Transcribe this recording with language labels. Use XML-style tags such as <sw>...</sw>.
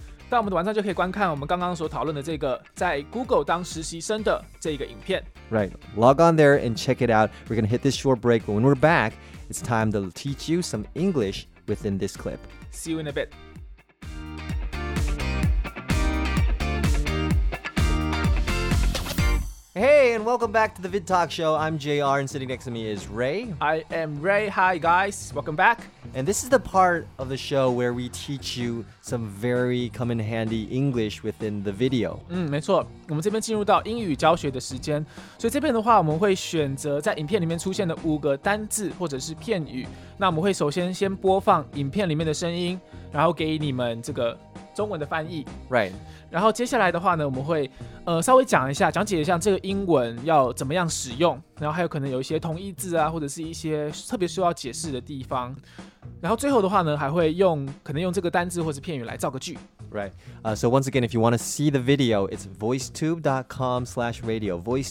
<zh>到我们的网站就可以观看我们刚刚所讨论的这个在 Google 当实习生的这个影片。</zh> <en>Right. Log on there and check it out. We're going to hit this short break, but when we're back, it's time to teach you some English within this clip. See you in a bit. Hey, and welcome back to the VidTalk Show. I'm JR, and sitting next to me is Ray. I am Ray. Hi, guys. Welcome back. And this is the part of the show where we teach you some very come in handy English within the video.</en> <zh>没错。我们这边进入到英语教学的时间。所以这边的话，我们会选择在影片里面出现的五个单字或者是片语。那我们会首先先播放影片里面的声音，然后给你们这个中文的翻译。</zh> <en>Right.</en> <zh>然后接下来的话呢，我们会、稍微讲一下，讲解一下这个英文要怎么样使用，然后还有可能有一些同义字啊，或者是一些特别需要解释的地方。然后最后的话呢，还会用可能用这个单字或者片语来造个句。</zh> <en>Right. So once again, if you want to see the video, it's voicetube.com/radio.</en>